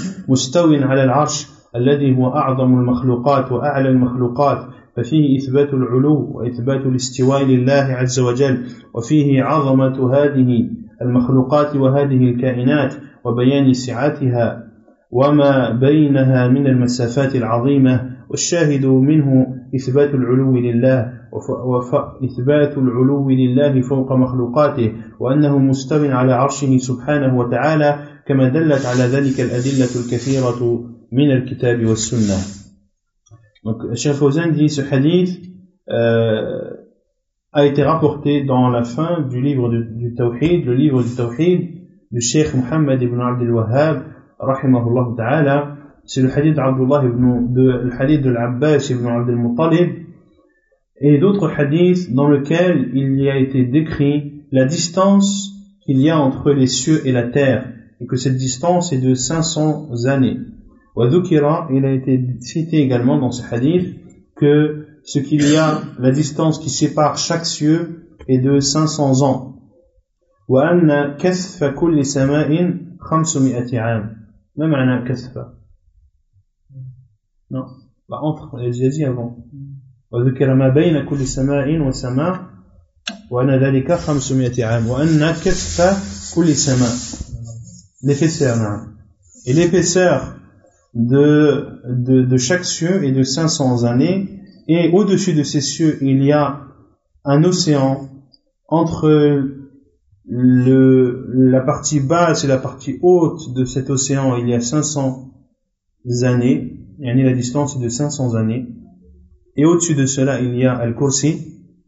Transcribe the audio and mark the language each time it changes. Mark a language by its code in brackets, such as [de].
[ar] مستو على العرش الذي هو أعظم المخلوقات وأعلى المخلوقات ففيه إثبات العلو وإثبات الاستواء لله عز وجل وفيه عظمة هذه المخلوقات وهذه الكائنات وبيان سعتها وما بينها من المسافات العظيمة والشاهد منه إثبات العلو لله إثبات العلو لله فوق مخلوقاته وأنه مستو على عرشه سبحانه وتعالى كما دلت على ذلك الأدلة الكثيرة من الكتاب والسنة. [fr] Donc, Cheikh Fawzan dit, ce hadith a été rapporté dans la fin du livre du Tawhid, le livre du Tawhid du Cheikh Muhammad ibn Abdul Wahhab, rahimahullah ta'ala. C'est le hadith d'Abdullah ibn, le hadith de l'Abbas ibn Abdul Muttalib et d'autres hadiths dans lesquels il y a été décrit la distance qu'il y a entre les cieux et la terre et que cette distance est de 500 années. وذكر il a été cité également dans ce hadith que ce qu'il y a la distance qui sépare chaque cieux est de 500 ans. [ar] وأن كثف كل سماء 500 عام. ما معنى كثف؟ Non. [fr] Bah, entre, j'ai dit avant. [ar] وذكر ما بين كل سماء وسماء وأن ذلك 500 عام. وأن كثف كل سماء. [fr] L'épaisseur, non. Et l'épaisseur de chaque cieux et de 500 années et au-dessus de ces cieux il y a un océan entre la partie basse et la partie haute de cet océan il y a 500 années et la distance est de 500 années et au-dessus de cela il y a Al-Kursi